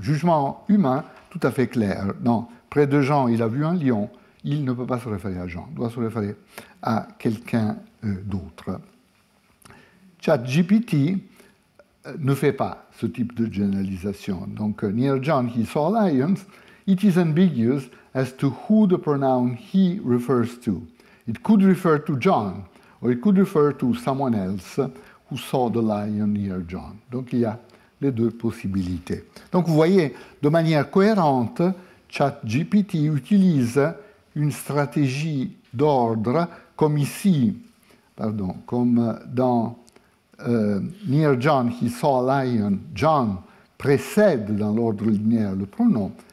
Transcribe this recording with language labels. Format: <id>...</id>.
<fr>Jugement humain, tout à fait clair. Non, près de Jean, il a vu un lion, il ne peut pas se référer à Jean, il doit se référer à quelqu'un d'autre. ChatGPT ne fait pas ce type de généralisation. Donc,</fr> <en>near John, he saw lions. it is ambiguous as to who the pronoun he refers to. It could refer to John, or it could refer to someone else who saw the lion near John.</en> <fr>Donc il y a les deux possibilités. Donc vous voyez, de manière cohérente, ChatGPT utilise une stratégie d'ordre comme ici, pardon, comme dans</fr> <en>Near John, he saw a lion,</en> <fr>John précède dans l'ordre linéaire le pronom.</fr>